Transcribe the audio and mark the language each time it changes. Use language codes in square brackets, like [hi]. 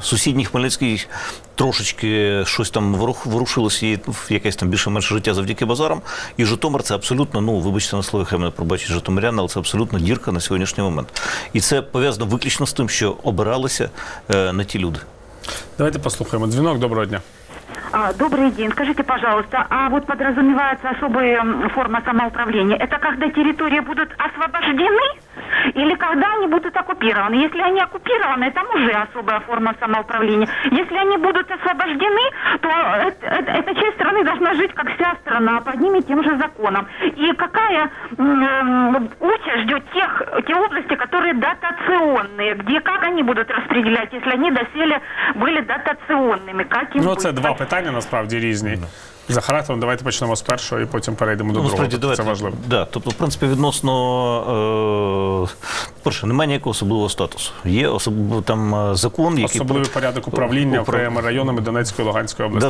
[uk] Сусідній Хмельницький трошечки щось там ворушилось, і якесь там більше-менше життя завдяки базарам. І Житомир – це абсолютно, ну, вибачте на слові, хай мене пробачить житомирян, але це абсолютно дірка на сьогоднішній момент. І це пов'язано виключно з тим, що обиралися не ті люди. Давайте послухаємо. Дзвінок, доброго дня. [ru] Добрый день. Скажите, пожалуйста, а вот подразумевается особая форма самоуправления. Это когда территории будут освобождены или когда они будут оккупированы? Если они оккупированы, там уже особая форма самоуправления. Если они будут освобождены, то эта часть страны должна жить, как вся страна, под ними тем же законом. И какая участь ждет те области, которые дотационные? Где, как они будут распределять, если они доселе были дотационными? Как им ну, это два пытания. [uk] Питання насправді різні. За характером, давайте почнемо з першого і потім перейдемо до другого. Давайте, це важливо. Да, тобто, в принципі, відносно, перше, немає ніякого особливого статусу. Є там закон, який... Особливий порядок управління окремими районами Донецької, Луганської області.